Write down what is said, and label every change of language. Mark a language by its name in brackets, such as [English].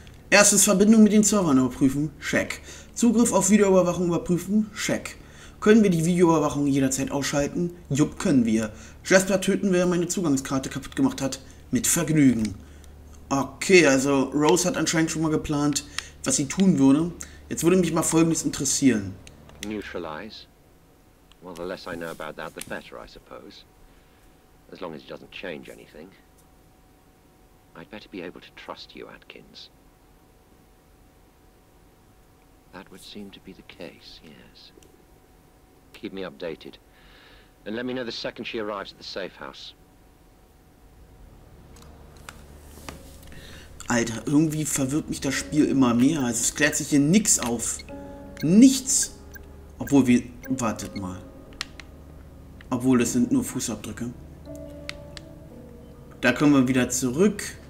[German] Erstens Verbindung mit den Servern überprüfen, check. Zugriff auf Videoüberwachung überprüfen, check. Können wir die Videoüberwachung jederzeit ausschalten? Jupp, können wir. Jasper töten, wer meine Zugangskarte kaputt gemacht hat. Mit Vergnügen. Okay, also Rose hat anscheinend schon mal geplant, was sie tun würde. Jetzt würde mich mal Folgendes interessieren. [English] Neutralize? Well, the less I know about that, the better, I suppose. As long as it doesn't change anything. I'd better be able to trust you, Atkins. That would seem to be the case, yes. Keep me updated. And let me know the second she arrives at the safe house. [German] Alter, irgendwie verwirrt mich das Spiel immer mehr. Also es klärt sich hier nichts auf. Nichts. Obwohl wir... Wartet mal. Obwohl, das sind nur Fußabdrücke. Da kommen wir wieder zurück.